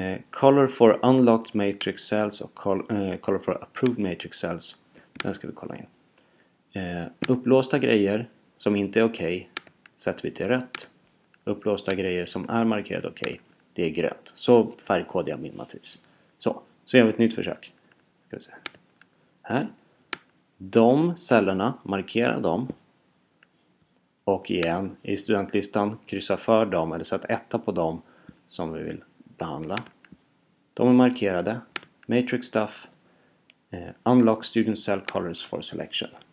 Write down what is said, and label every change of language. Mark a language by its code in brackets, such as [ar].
[en] Color for unlocked matrix cells. [sv] Och [en] color for approved matrix cells. [sv] Den ska vi kolla in. Upplåsta grejer som inte är okej sätter vi till rött. Upplåsta grejer som är markerade okej, det är grönt. Så färgkodar jag min matris. Så gör vi ett nytt försök. Ska vi se. Här. De cellerna, markera dem. Och igen, i studentlistan, kryssa för dem eller sätt etta på dem som vi vill behandla. De är markerade. [en] Matrix stuff. Unlock student cell colors for selection.